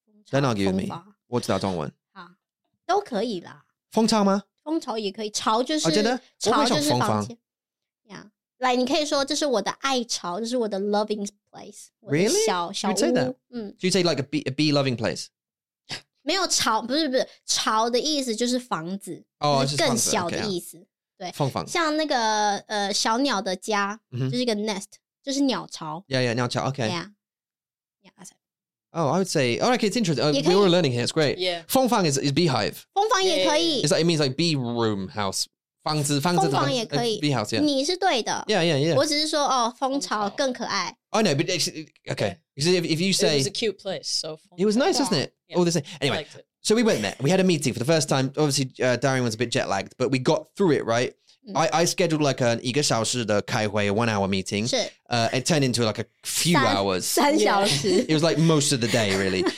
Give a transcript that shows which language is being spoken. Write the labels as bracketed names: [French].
[English] don't argue with me. What's that Dongwen? [Chinese] 都可以啦. Fengchao 吗? 风潮也可以,潮就是, 我会想风方. Like, 你可以说这是我的爱巢,这是我的 [English] loving place. Really? [Chinese] 小屋, [English] you'd say that? Do you say like a bee loving place? [Chinese] 没有巢,不是,巢的意思就是房子, [English] oh, [Chinese] 更小的意思。像那个小鸟的家, 就是一个 nest, 就是鸟巢。 [English] Yeah, yeah, 鸟巢, okay. Yeah. Oh, I would say, oh, okay, it's interesting. Oh, we're all learning here, it's great. Yeah. 风房 is beehive. [Chinese] 风房也可以。 [English] It's like, it means like bee room house. [Chinese] 房子也可以。 [English] Bee house, yeah. [Chinese] 你是对的。 [English] Yeah, yeah, yeah. [Chinese] 我只是说,哦,蜂巢更可爱。 [English] I know, but actually, okay. Because if you say... It was a cute place, so... It was nice, wasn't it? Yeah. All the same. Anyway, so we went there. We had a meeting for the first time. Obviously, Darian was a bit jet-lagged, but we got through it, right? I scheduled like an [Chinese] 一个小时的开会, [English] a one-hour meeting. It turned into like a few hours. [Chinese] 三小时. [English] It was like most of the day, really.